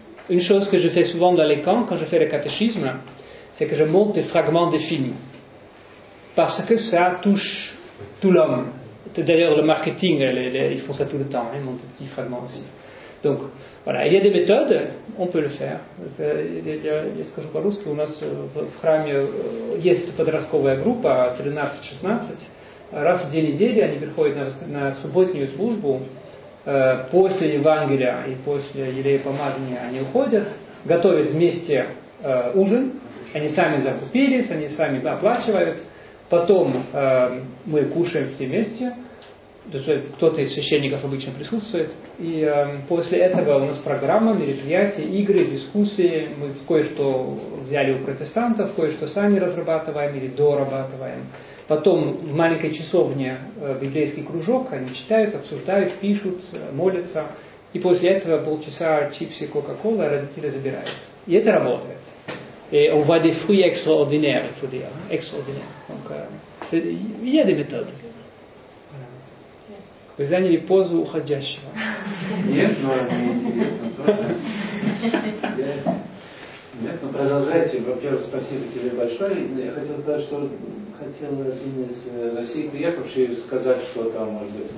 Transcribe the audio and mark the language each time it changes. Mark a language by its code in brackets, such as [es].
[fr] Une chose que je fais souvent dans les camps quand je fais le catéchisme, c'est que je monte des fragments des films parce que ça touche tout l'homme. D'ailleurs le marketing, ils font ça tout le temps, ils montent des petits fragments aussi. Donc voilà, il y a des méthodes, on peut le faire. [ru] Я скажу по-русски, у нас в храме есть подростковая группа 13-16. Раз в две недели они приходят на субботнюю службу. После Евангелия и после елея помазания они уходят, готовят вместе ужин. Они сами закупились, они сами оплачивают. Потом мы кушаем все вместе. Кто-то из священников обычно присутствует. И после этого у нас программа, мероприятия, игры, дискуссии. Мы кое-что взяли у протестантов, кое-что сами разрабатываем или дорабатываем. Потом в маленькой часовне библейский кружок. Они читают, обсуждают, пишут, молятся. И после этого полчаса чипсы, кока-кола, родители забирают. И это работает. [fr] И on voit des fruits extraordinaires, il faut dire. Extraordinaire. Donc, il y a des méthodes. [ru] Вы заняли позу уходящего. Нет, но мне интересно тоже. Нет, ну продолжайте. Во-первых, спасибо тебе большое. Я хотел сказать, что хотел один из России приехавший сказать, что там может быть.